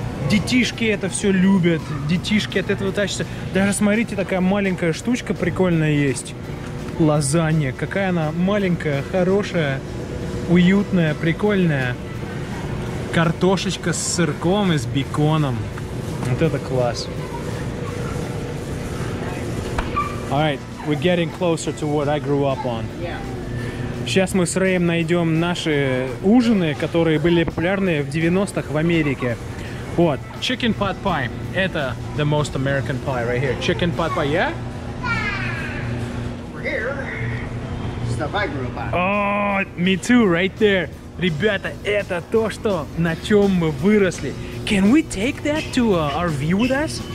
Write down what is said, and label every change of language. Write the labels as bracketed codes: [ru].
[ru] Детишки это все любят, детишки от этого тащатся. Даже смотрите, такая маленькая штучка прикольная есть. Лазанья. Какая она маленькая, хорошая, уютная, прикольная. Картошечка с сырком и с беконом. Вот это класс. [en] Alright. We're getting closer to what I grew up on. Yeah. [ru] Сейчас мы с Рэем найдем наши ужины, которые были популярны в 90-х в Америке. [en] Вот. Chicken pot pie. [ru] Это [en] the most American pie right here. Chicken pot pie, yeah? We're here. Stuff I grew up on. Oh, me too, right there. [ru] Ребята, это то, что на чем мы выросли. [en] Can we take that to our view with us?